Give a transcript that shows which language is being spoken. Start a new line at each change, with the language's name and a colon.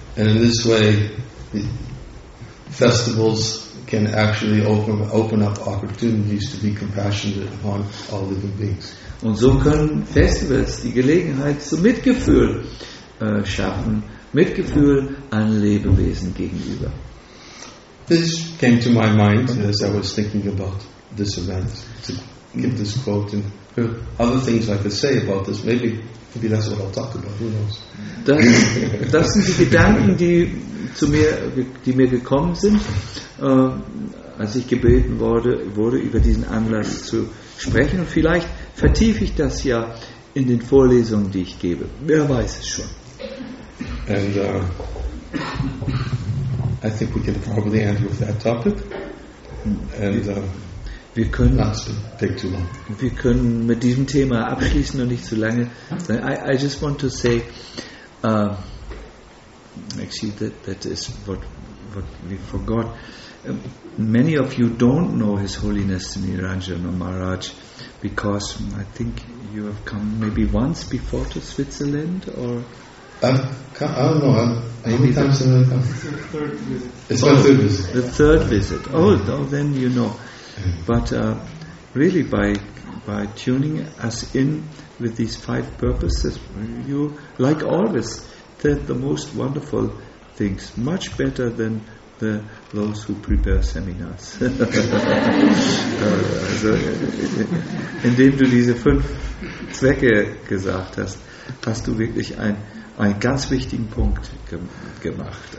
English: And in this way, festivals can actually open up opportunities to be compassionate upon all living beings.
German: Und so können Festivals die Gelegenheit zum Mitgefühl schaffen, Mitgefühl an Lebewesen gegenüber.
English: This came to my mind as I was thinking about this event, to give this quote, and other things I could say about this, maybe that's what I'll talk about, who knows.
German: Das sind die Gedanken, die mir gekommen sind, als ich gebeten wurde, über diesen Anlass zu sprechen. Und vielleicht vertiefe ich das ja in den Vorlesungen, die ich gebe. Wer weiß es schon.
English: And I think we can probably end with that topic. And
German: wir können mit diesem Thema abschließen und nicht zu lange.
English: I just want to say, actually, that is what we forgot. Many of you don't know His Holiness Niranjana Maharaj because I think you have come maybe once before to Switzerland or. I don't know. It's my third visit. The third visit. Oh, then you know. But really, by tuning us in with these five purposes, you, like always, said the most wonderful things, much better than those who prepare seminars.
German: Also, indem du diese fünf Zwecke gesagt hast, hast du wirklich einen ganz wichtigen Punkt gemacht.